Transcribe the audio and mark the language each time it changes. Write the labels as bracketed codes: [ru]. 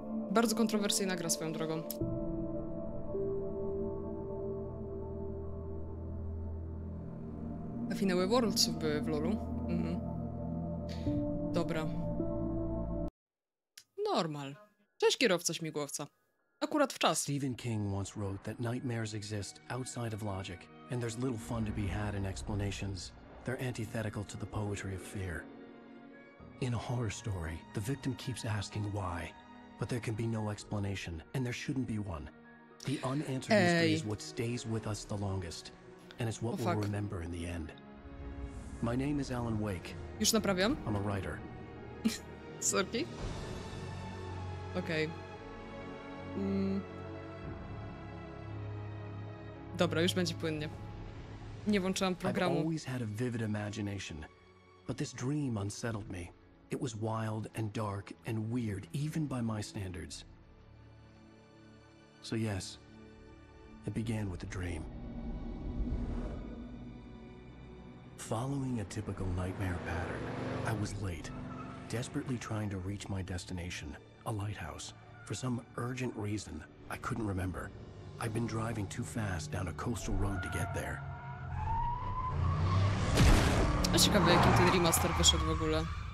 [pl] Bardzo kontrowersyjna gra swoją drogą. A finały Worldsów były w LoLu. Mhm. Dobra. Normal. Cześć kierowca śmigłowca. Akurat w czas. [en] Stephen King once wrote that nightmares exist outside of logic. And there's little fun to be had in explanations. They're antithetical to the poetry of fear. In a horror story, the victim keeps asking why, but there can be no explanation, and there shouldn't be one. The unanswered mystery is what stays with us the longest, and it's what we'll remember in the end. My name is Alan Wake. [pl] Już naprawiam? [en] I'm a writer. Sorry. Okay. [pl] Dobra, już będzie płynnie. Nie włączyłam programu. [en] I've always had a vivid imagination, but this dream unsettled me. It was wild and dark and weird, even by my standards. So yes, it began with a dream. Following a typical nightmare pattern, I was late, desperately trying to reach my destination, a lighthouse. For some urgent reason, I couldn't remember. I've been driving too fast down a coastal road to get there. [pl] Ciekawe, jaki ten remaster wyszedł w ogóle.